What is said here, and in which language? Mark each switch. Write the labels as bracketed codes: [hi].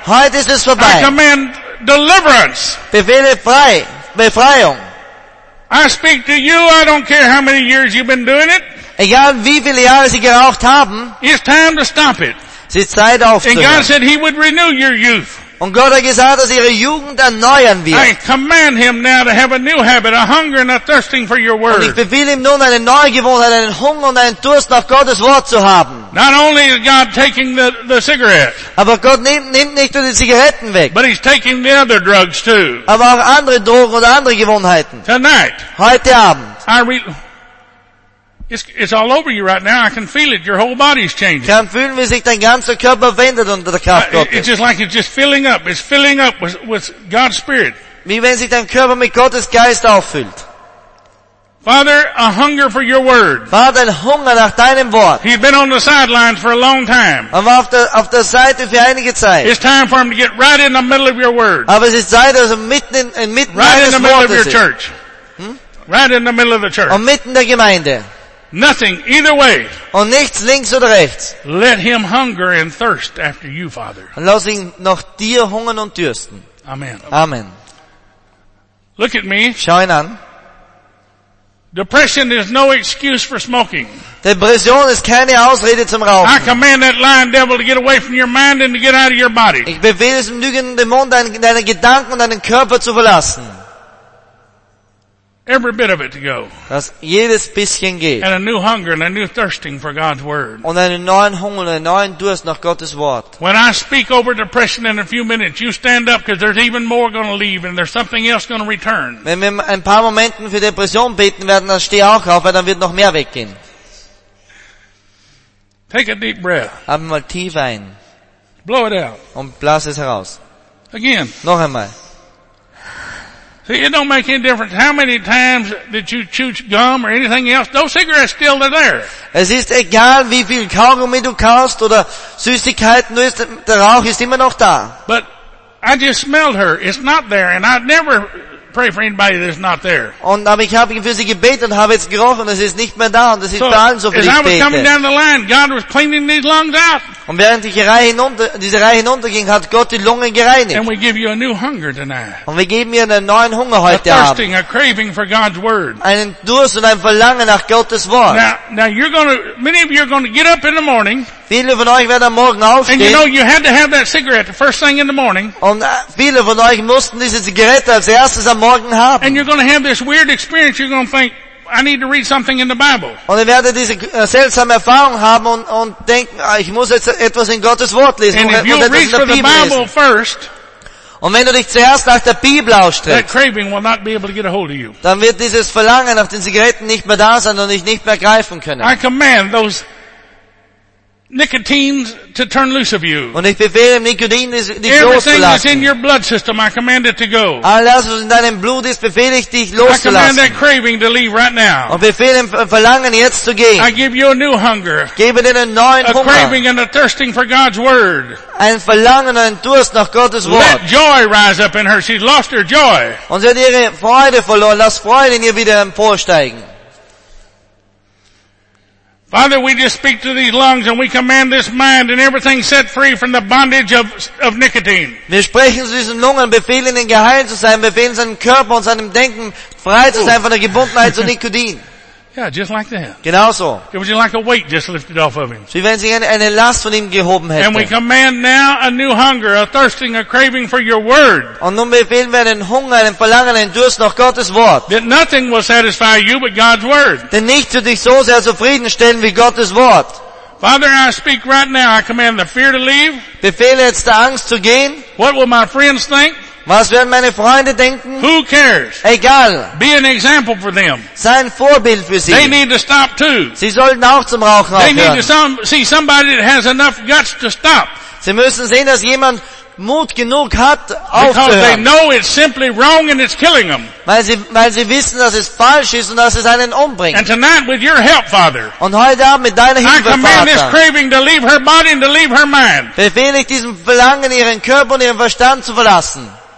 [de] Heute ist es vorbei. [en] I command deliverance. [de] Befehle frei. Befreiung. [en] I speak to you. I don't care how many years you've been doing it. [de] Egal wie viele Jahre sie geraucht haben. [en] It's time to stop it. [de] Es ist Zeit aufzuhören. [en] And God said He would renew your youth. [de] Und Gott hat gesagt, dass ihre Jugend erneuern wird. [en] I command him now to have a new habit, a hunger and a thirsting for your word. [de] Und ich befehle ihm nun eine neue Gewohnheit, einen Hunger und einen Durst nach Gottes Wort zu haben. [en] Not only is God taking the cigarette. [de] Aber Gott nimmt nicht nur die Zigaretten weg. [en] But he's taking the other drugs too. [de] Aber auch andere Drogen oder andere Gewohnheiten. [en] Tonight. [de] Heute Abend. [en] It's all over you right now. I can feel it. Your whole body's changing. [de] Ich kann fühlen, wie sich dein ganzer Körper wendet unter der Kraft Gottes. [en] It's just like it's just filling up. It's filling up with God's Spirit. [de] Wie wenn sich dein Körper mit Gottes Geist auffüllt. [en] Father, a hunger for your word. [de] Vater, ein Hunger nach deinem Wort. [en] He's been on the sidelines for a long time. [de] Aber auf der Seite für einige Zeit. [en] It's time for him to get right in the middle of your word. [de] Aber es ist Zeit, dass er mitten [en] right in the middle of your church. Right in the middle of the church. [de] Und mitten der Gemeinde. [en] Nothing, either way. [de] Und nichts links oder rechts. [en] Let him hunger and thirst after you, Father. [de] Und lass ihn nach dir hungern und dürsten. [en] Amen. [de] Amen. [en] Look at me. [de] Schau ihn an. [en] Depression is no excuse for smoking. [de] Depression ist keine Ausrede zum Rauchen. [en] I command that lying devil to get away from your mind and to get out of your body. [de] Ich befehle diesem lügenden Dämon, deine Gedanken und deinen Körper zu verlassen. [en] Every bit of it to go. [de] Dass jedes bisschen geht. [en] And a new hunger and a new thirsting for God's word. [de] Und einen neuen Hunger und einen neuen Durst nach Gottes Wort. [en] When I speak over depression in a few minutes, you stand up because there's even more going to leave and there's something else going to return. [de] Wenn wir ein paar Momenten für Depression beten werden, dann steh auch auf, weil dann wird noch mehr weggehen. [en] Take a deep breath. [de] Atme mal tief ein. [en] Blow it out. [de] Und blase es heraus. [en] Again. [de] Noch einmal. [en] See, it don't make any difference how many times that you chew gum or anything else. No cigarettes still are there. [de] Es ist egal, wie viel Kaugummi du kaust oder Süßigkeiten, der Rauch ist immer noch da. [en] But I just smelled her. It's not there, and I'd never pray for anybody that's not there. [de] Und aber ich habe für sie gebetet und habe jetzt gerochen, es ist nicht mehr da und es ist bei allen so viel Bete. [en] As I was coming down the line, God was cleaning these lungs out. [de] Und während ich diese Reihe hinunterging, hat Gott die Lungen gereinigt. [en] And we give you a new hunger tonight. [de] Und wir geben dir einen neuen Hunger heute Abend. [en] A thirsting, a craving for God's word. [de] Einen Durst und ein Verlangen nach Gottes Wort. [en] Now you're going to, many of you are going to get up in the morning. [de] Viele von euch werden am Morgen aufstehen. [en] And you know you had to have that cigarette the first thing in the morning. [de] Und viele von euch mussten diese Zigarette als erstes am Morgen haben. [en] And you're going to have this weird experience. You're going to think, I need to read something in the Bible. [de] Und ihr werdet diese seltsame Erfahrung haben und denken, ich muss jetzt etwas in Gottes Wort lesen. [en] And if you read the Bible First. [de] Und wenn du dich zuerst nach der Bibel ausstreckst, dann wird dieses Verlangen nach den Zigaretten nicht mehr da sein und dich nicht mehr greifen können. [en] I command those nicotine to turn loose of you. [de] Und ich befehle Nikotin, dich loszulassen. [en] Everything that's in your blood system, I command it to go. [de] Alles, was in deinem Blut ist, befehle ich dich loszulassen. [en] I command that craving to leave right now. [de] Und befehle dem Verlangen jetzt zu gehen. [en] I give you a new hunger. [de] Gebe dir einen neuen Hunger. [en] A craving and a thirsting for God's word. [de] Ein Verlangen und ein Durst nach Gottes Wort. [en] Let joy rise up in her. She's lost her joy. [de] Und sie hat ihre Freude verloren. Lass Freude in ihr wieder emporsteigen. [en] Father, we just speak to these lungs and we command this mind and everything set free from the bondage of nicotine. [de] Wir sprechen zu diesen Lungen, befehlen ihnen geheilt zu sein, befehlen seinem Körper und seinem Denken frei zu sein von der Gebundenheit zu Nikotin. [en] Yeah, just like that. [de] Genauso. [en] It was like a weight just lifted off of him. [de] Wie wenn sie eine Last von ihm gehoben hätte. [en] And we command now a new hunger, a thirsting, a craving for your word. [de] Und nun befehlen wir einen Hunger, einen Verlangen, einen Durst nach Gottes Wort. [en] That nothing will satisfy you but God's word. [de] Denn nichts wird dich so sehr zufriedenstellen wie Gottes Wort. [en] Father, I speak right now. I command the fear to leave. [de] Befehle jetzt der Angst zu gehen. [en] What will my friends think? [de] Was werden meine Freunde denken? [en] Who cares? [de] Egal. [en] Be an example for them. [de] Sei ein Vorbild für sie. [en] They need to stop too. [de] Sie sollten auch zum Rauchen aufhören. [en] They need to see somebody that has enough guts to stop. [de] Sie müssen sehen, dass jemand Mut genug hat, aufzuhören. [en] Because they know it's simply wrong and it's killing them. [de] Weil sie wissen, dass es falsch ist und dass es einen umbringt. [en] And tonight with your help, Father. [de] Und heute Abend mit deiner Hilfe, Vater. [en] I command this craving to leave her body and to leave her mind. [de] Befehle ich diesem Verlangen, ihren Körper und ihren Verstand zu verlassen.